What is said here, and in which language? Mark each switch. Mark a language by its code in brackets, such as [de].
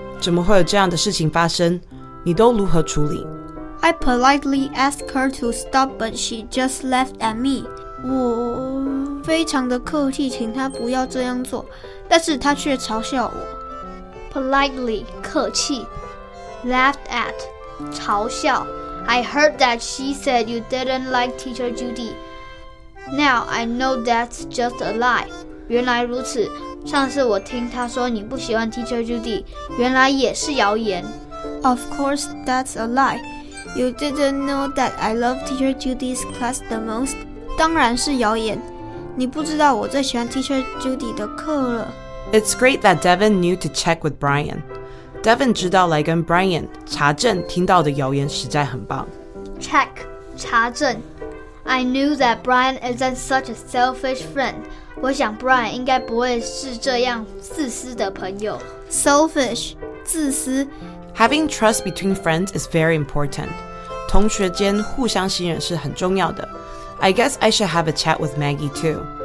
[zh] 怎么会有这样的事情发生？你都如何处理？ [en] I politely asked her to stop, but she just laughed at me. [zh] 我非常的客气请他不要这样做，但是他却嘲笑我。 [en] Politely, 客气。Laughed at, 嘲笑。 I heard that she said you didn't like teacher Judy. Now I know that's just a lie. [zh] 原来如此，上次我听他说你不喜欢 teacher Judy, 原来也是谣言。 [en] Of course that's a lie. You didn't know that I love teacher Judy's class the most? [zh] 当然是谣言。你不知道我最喜欢 teacher Judy 的课了。 [en] It's great that Devon knew to check with Brian. [zh] Devon 知道来跟 Brian 查证听到的谣言实在很棒。 [en] Check, 查证。 I knew that Brian isn't such a selfish friend. [zh] 我想 Brian 应该不会是这样自私的朋友。 [en] Selfish, 自私。 Having trust between friends is very important. [zh] 同学间互相信任是很重要的。 [en] I guess I should have a chat with Maggie too.